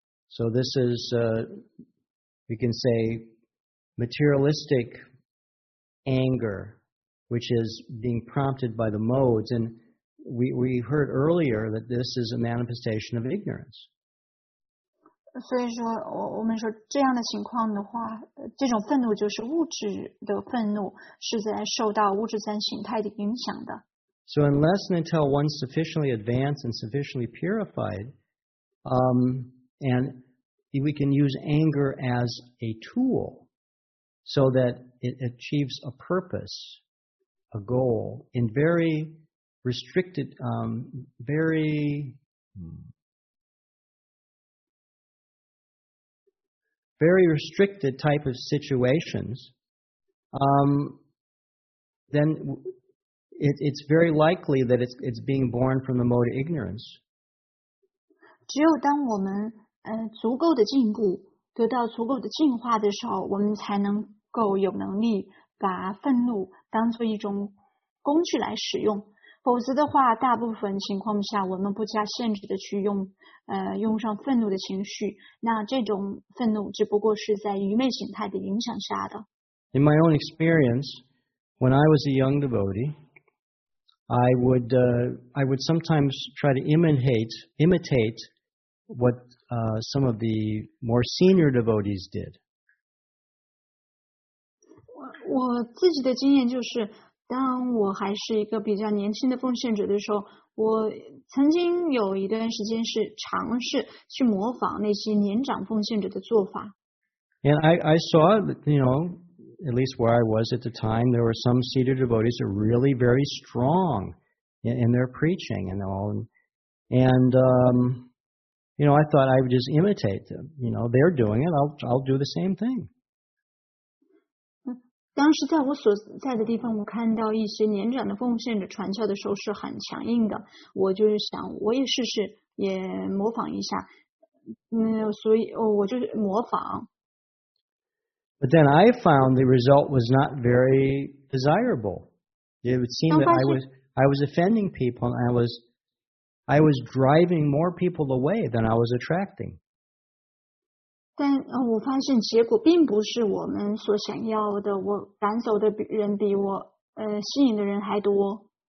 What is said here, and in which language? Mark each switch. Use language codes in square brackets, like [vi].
[en] So this is, we can say, materialistic anger, which is being prompted by the modes. And we heard earlier that this is a manifestation of ignorance. [zh] 所以说，我们说这样的情况的话，这种愤怒就是物质的愤怒，是在受到物质三形态的影响的。 [en] So unless and until one's sufficiently advanced and sufficiently purified, and we can use anger as a tool so that it achieves a purpose, a goal, in very restricted, very very restricted type of situations, then it's very likely that it's being born from the mode of ignorance. [zh] 只有当我们足够的进步，得到足够的进化的时候，我们才能够有能力把愤怒当作一种工具来使用。否则的话，大部分情况下，我们不加限制的去用上愤怒的情绪，那这种愤怒只不过是在愚昧形态的影响下的。 [en] In my own experience, when I was a young devotee, I would sometimes try to imitate what some of the more senior devotees did. [zh] 我自己的经验就是，当我还是一个比较年轻的奉献者的时候，我曾经有一段时间是尝试去模仿那些年长奉献者的做法。 [en] And I saw, you know, at least where I was at the time, there were some seated devotees that were really very strong in their preaching and all. And, you know, I thought I would just imitate them. You know, they're doing it, I'll do the same thing. [zh] 当时在我所在的地方，我看到一些年长的奉献者传教的时候是很强硬的，我就是想我也试试，也模仿一下。嗯，所以我就模仿。 [en] But then I found the result was not very desirable. It would seem that I was offending people, and I was driving more people away than I was attracting. [zh] 但我发现结果并不是我们所想要的。我赶走的人比我吸引的人还多。